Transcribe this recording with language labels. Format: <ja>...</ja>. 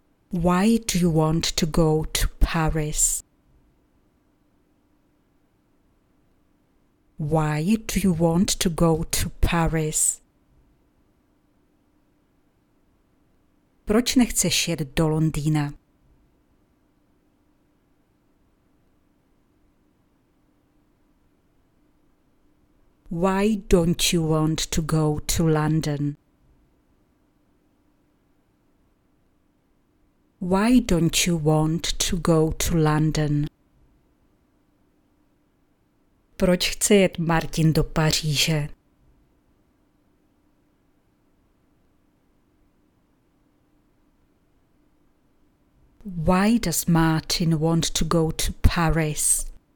<en>Why do you want to go to Paris? Why do you want to go to Paris?</en> <cs>Proč nechceš jet do Londýna?</cs> <en>Why don't you want to go to London? Why don't you want to go to London?</en> <cs>Proč chce jet Martin do Paříže?</cs> <en>Why does Martin want to go to Paris?</en>